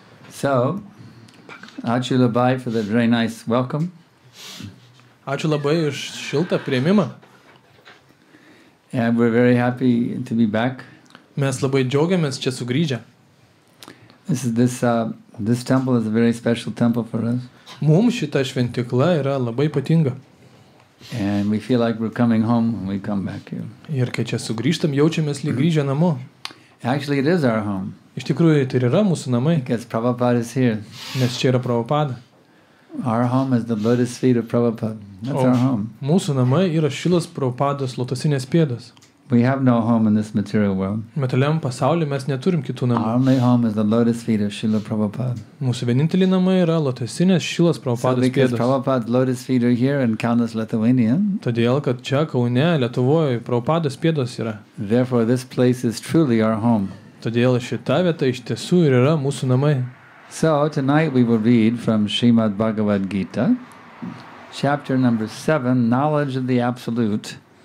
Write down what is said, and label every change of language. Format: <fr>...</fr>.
<en>So,</en> <lt>ačiū labai</lt> <en>for the very nice welcome.</en> <lt>Ačiū labai už šiltą priėmimą.</lt> <en>And we're very happy to be back.</en> <lt>Mes labai džiaugiamės čia sugrįžę.</lt> <en>This temple is a very special temple for us.</en> <lt>Mums šita šventikla yra labai ypatinga.</lt> <en>And we feel like we're coming home when we come back here.</en> <lt>Ir kai čia sugrįžtam, jaučiamės lyg grįžę namo.</lt> <en>Actually, it is our home.</en> <lt>Iš tikrųjų, tai yra mūsų namai.</lt> <en>Because Prabhupada is here.</en> <lt>Nes čia yra Prabhupada.</lt> <en>Our home is the lotus feet of Prabhupada. That's our home.</en> <lt>Mūsų namai yra Šilas Prabhupados lotosinės pėdos.</lt> <en>We have no home in this material world.</en> <lt>Materialiam pasauly mes neturim kitų namų.</lt> <en>Our only home is the lotus feet of Srila Prabhupada.</en> <lt>Mūsų vienintelį namą yra lotosinės Šilas Prabhupados pėdos.</lt> <en>So because Prabhupada's lotus feet are here in Kaunas, Lithuania.</en> <lt>Todėl, kad čia Kaune, Lietuvoje, Prabhupados pėdos yra.</lt> <en>Therefore, this place is truly our home.</en> <lt>Todėl šita vieta iš tiesų ir yra mūsų namai.</lt> <en>So, tonight we will read from Srimad Bhagavad Gita, chapter number 7, Knowledge of the Absolute.</en>